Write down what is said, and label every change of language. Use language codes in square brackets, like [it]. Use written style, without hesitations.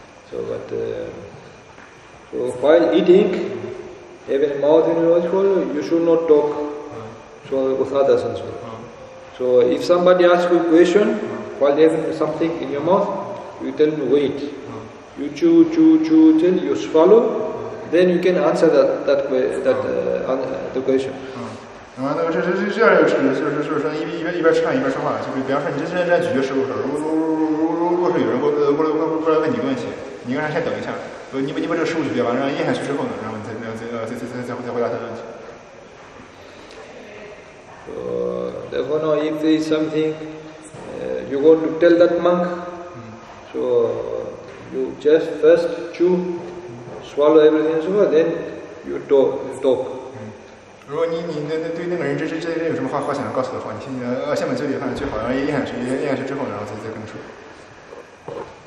[en] So while eating, having a mouth in your mouth, you should not talk. So with others and so on. So if somebody asks you a question, while they having something in your mouth, you tell them, wait. You chew till you swallow, then you can answer the question. [zh] 然后那个这样一个指示，就是说一边吃饭一边说话，就是比方说你这正在咀嚼食物的时候，如果是有人过来问你个问题，你应该先等一下，你把这个食物咀嚼完，然后咽下去之后呢，然后再回答他的问题。 [en] Therefore, now if there is something, you go to tell that monk, so you just first chew, swallow everything, so then you talk. [zh] 如果你对那个人这有什么话想要告诉的话，你先先把嘴里放下去，好，然后咽下去之后，然后再跟他说。